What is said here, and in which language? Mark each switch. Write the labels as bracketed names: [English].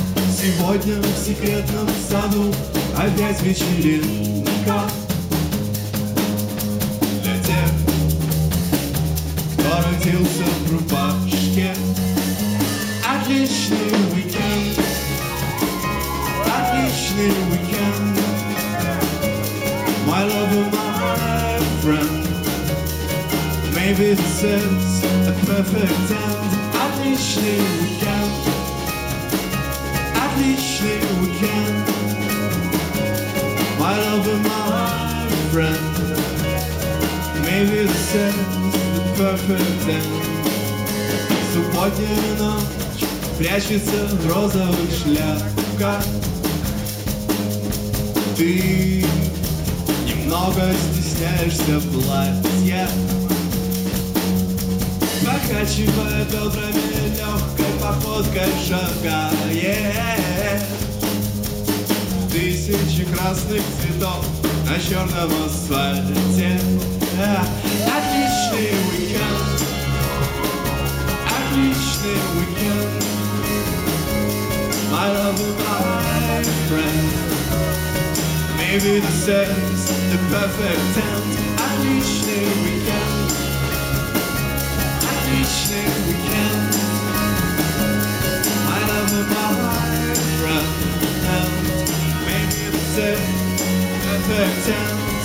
[Russian] Сегодня в секретном саду опять вечеринка для тех, кто родился в рубашке. Отличный уикенд, отличный уикенд. [English] My love and my friend, maybe this is a perfect end. [Russian] Отличный уикенд, отличный уикенд. [English] My love and my friend, maybe this is a perfect end. [Russian] Субботняя ночь, прячется в розовых шляпках. Ты немного стесняешься платья, покачивая бедрами легкой походкой шагает. Тысячи красных цветов на черном асфальте. Отличный уикенд, отличный уикенд. [English] My love and my friend, maybe this is the perfect end. [Russian] Отличный уикенд, отличный уикенд. [English] My love and my friend, maybe this is the perfect end.